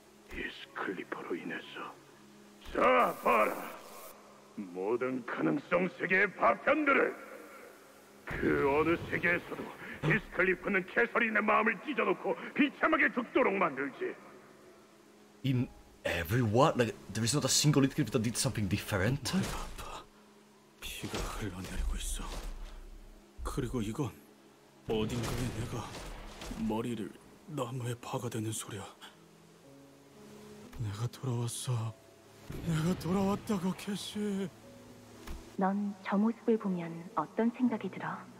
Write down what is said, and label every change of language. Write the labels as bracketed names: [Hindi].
[Korean] 히스클리퍼로 인해서. 자, 봐라! 모든 가능성 세계의 파편들을! 그 어느 세계에서도 히스클리퍼는 캐서린의 마음을 찢어놓고 비참하게 죽도록 만들지. [English] In everyone? Like, there is not a single Heathcliff that did something different? [Korean] 아파. 피가 흘러내리고 있어. 그리고 이건 어딘가에 내가 머리를 나무에 박아대는 소리야. 내가 돌아왔어. 내가 돌아왔다고, 캐시. 넌 저 모습을 보면 어떤 생각이 들어?